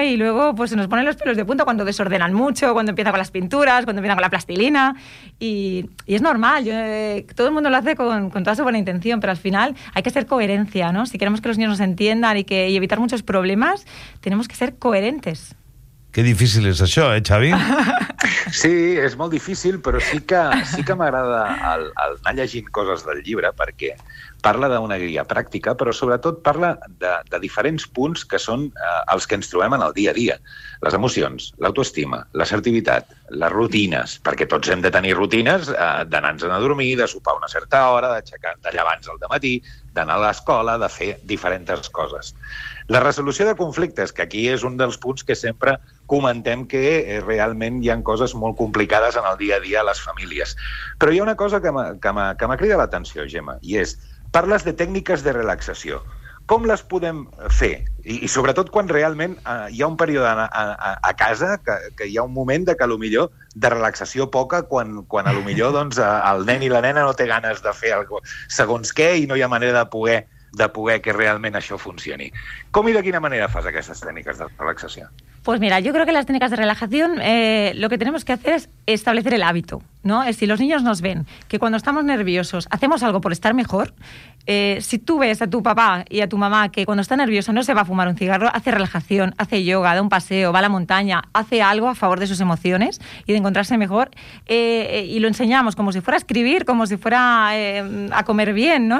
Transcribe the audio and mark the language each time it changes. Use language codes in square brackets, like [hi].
[es] Y luego pues se nos ponen los pelos de punta cuando desordenan mucho, cuando empiezan con las pinturas, cuando empiezan con la plastilina. Y es normal, todo el mundo lo hace con toda su buena intención, pero al final hay que ser coherencia, ¿no? Si queremos que los niños nos entiendan y evitar muchos problemas, tenemos que ser coherentes. Qué difícil es eso, Xavi. Sí, es muy difícil, pero [ca] sí que me agrada al anar llegint cosas del llibre, porque parla d'una guia pràctica, però sobretot parla de diferents punts que són els que ens trobem en el dia a dia. Les emocions, l'autoestima, l'assertivitat, les rutines, perquè tots hem de tenir rutines d'anar-nos-en a dormir, de sopar una certa hora, d'aixecar d'allà abans al dematí, d'anar a l'escola, de fer diferents coses. La resolució de conflictes, que aquí és un dels punts que sempre comentem que realment hi ha coses molt complicades en el dia a dia a les famílies. Però hi ha una cosa que m'ha cridat l'atenció, Gemma, i és, parles de tècniques de relaxació. Com les podem fer? I sobretot quan realment hi ha un període a casa que hi ha un moment de que a lo millor de relaxació poca quan a lo millor doncs, el nen i la nena no té ganes de fer algo, segons què i no hi ha manera de poder que realment això funcioni. Com i de quina manera fas aquestes tècniques de relaxació? [es] Pues mira, yo creo que las técnicas de relajación, lo que tenemos que hacer es establecer el hábito, ¿no? Es si los niños nos ven que cuando estamos nerviosos hacemos algo por estar mejor, si tú ves a tu papá y a tu mamá que cuando está nervioso no se va a fumar un cigarro, hace relajación, hace yoga, da un paseo, va a la montaña, hace algo a favor de sus emociones y de encontrarse mejor, y lo enseñamos como si fuera a escribir, como si fuera a comer bien, ¿no?